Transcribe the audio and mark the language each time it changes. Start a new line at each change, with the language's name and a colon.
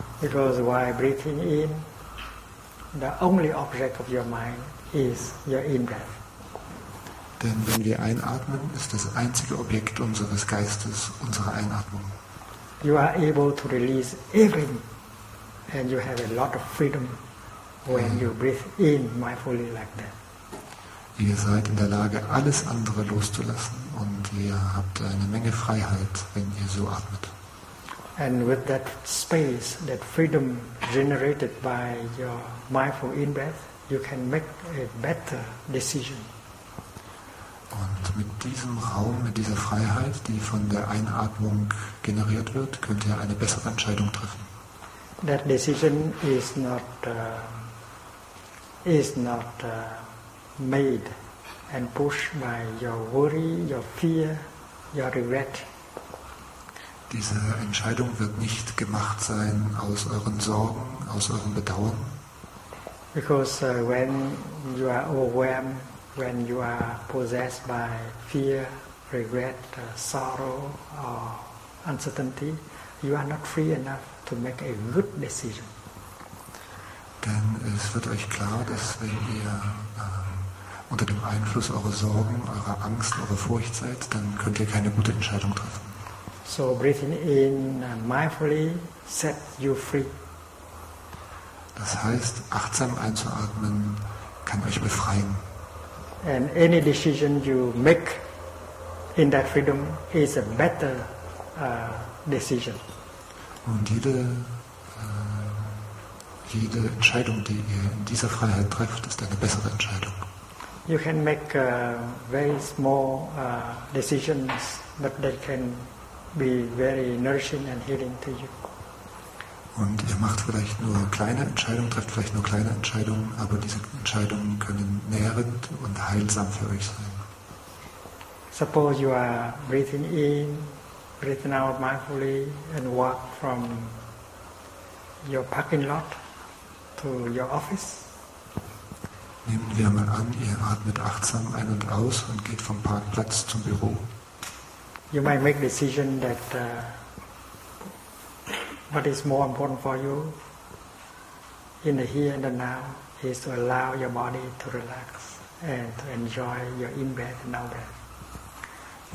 English: It was why breathing in, the only object of your mind is your in-breath.
German: Denn wenn wir einatmen, ist das einzige Objekt unseres Geistes unsere Einatmung.
English: You are able to release everything and you have a lot of freedom when you breathe in mindfully like that.
German: Ihr seid in der Lage, alles andere loszulassen und ihr habt eine Menge Freiheit, wenn ihr so atmet.
English: And with that space, that freedom generated by your mindful in-breath, you can make a better decision.
German: Und mit diesem Raum, mit dieser Freiheit, die von der Einatmung generiert wird, könnt ihr eine bessere Entscheidung treffen.
English: That decision is not made and pushed by your worry, your fear, your regret.
German: Diese Entscheidung wird nicht gemacht sein aus euren Sorgen, aus eurem Bedauern.
English: Because when you are overwhelmed, when you are possessed by fear, regret, sorrow or uncertainty, you are not free enough to make a good decision.
German: Denn es wird euch klar, dass wenn ihr unter dem Einfluss eurer Sorgen, eurer Angst, eurer Furcht seid, dann könnt ihr keine gute Entscheidung treffen.
English: So breathing in mindfully sets you free.
German: Das heißt, achtsam einzuatmen kann euch befreien.
English: And any decision you make in that freedom is a better decision.
German: Und jede Entscheidung, die ihr in dieser Freiheit trefft, ist eine bessere Entscheidung.
English: You can make very small decisions, but they can be very nourishing and healing to you.
German: Und ihr macht vielleicht nur kleine Entscheidungen, trefft vielleicht nur kleine Entscheidungen, aber diese Entscheidungen können nährend und heilsam für euch sein.
English: Suppose you are breathing in, breathing out mindfully and walk from your parking lot to your office.
German: Nehmen wir mal an, ihr atmet achtsam ein und aus und geht vom Parkplatz zum Büro.
English: You might make decision that what is more important for you in the here and the now is to allow your body to relax and to enjoy your in-breath and out-breath.